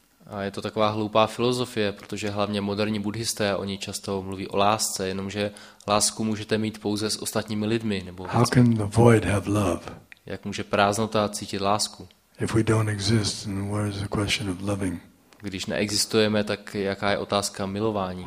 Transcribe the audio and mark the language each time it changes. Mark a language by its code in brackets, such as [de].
[cs] A je to taková hloupá filozofie, protože hlavně moderní buddhisté, oni často mluví o lásce, jenomže lásku můžete mít pouze s ostatními lidmi. Nebo [en] how can the void have love? [cs] Jak může prázdnota cítit lásku? [en] If we don't exist, then where is the question of loving? [cs] Když neexistujeme, tak jaká je otázka milování?